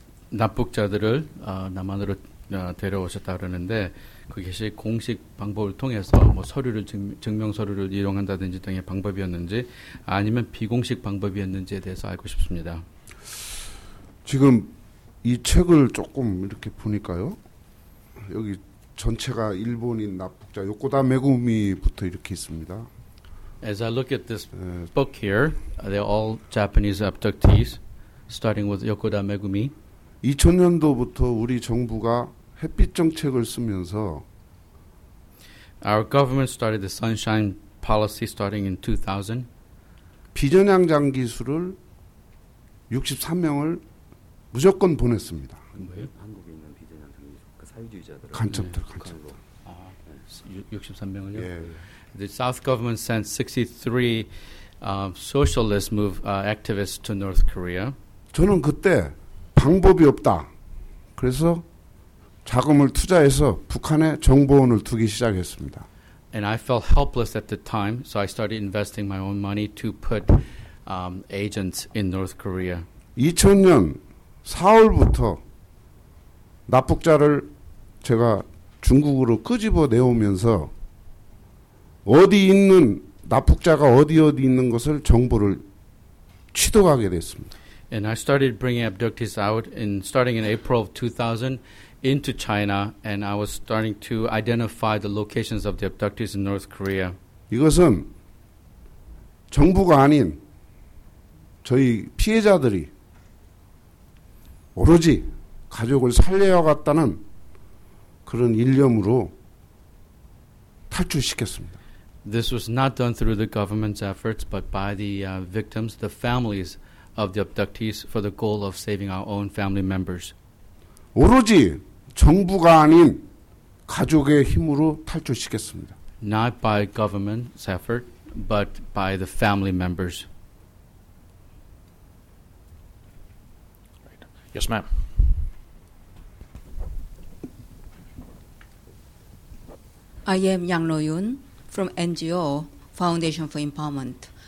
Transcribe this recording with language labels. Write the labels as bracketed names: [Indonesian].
[Korean] 납북자들을 남한으로 데려오셨다 그러는데 그것이 공식 방법을 통해서 뭐 서류를 증명 서류를 이용한다든지 등의 방법이었는지 아니면 비공식 방법이었는지에 대해서 알고 싶습니다. 지금 이 책을 조금 이렇게 보니까요. 여기 전체가 일본인 납북자 요코다 메구미부터 이렇게 있습니다. [English] As I look at this book here, they're all Japanese abductees starting with Yokoda Megumi. [Korean] 2000년도부터 우리 정부가 햇빛 정책을 쓰면서 [English] Our government started the sunshine policy starting in 2000. [Korean] 비전향 장기수를 63명을 무조건 보냈습니다. 뭐예요? 한국에 있는 비전향 장기수 그 사유주의자들 간첩들 네, 간첩들. 63명을요? 예. [English] The South government sent 63 socialist move activists to North Korea. [Korean] 저는 그때 방법이 없다. 그래서 자금을 투자해서 북한에 정보원을 두기 시작했습니다. [English] And I felt helpless at the time, so I started investing my own money to put agents in North Korea. [Korean] 2000년 4월부터 납북자를 제가 중국으로 끄집어 내오면서 어디 있는 납북자가 어디 있는 것을 정보를 취득하게 됐습니다. [English] And I started bringing abductees out in starting in April of 2000 into China, and I was starting to identify the locations of the abductees in North Korea. [Korean] 이것은 정부가 아닌 저희 피해자들이 오로지 가족을 살려야겠다는 그런 일념으로 탈출시켰습니다. [English] This was not done through the government's efforts, but by the victims, the families. Of the abductees for the goal of saving our own family members. [Korean] 오로지 정부가 아닌 가족의 힘으로 탈출시켰습니다. [English] Not by government's effort, but by the family members. Right. Yes, ma'am. I am Yang Lo-yun from NGO Foundation for Empowerment.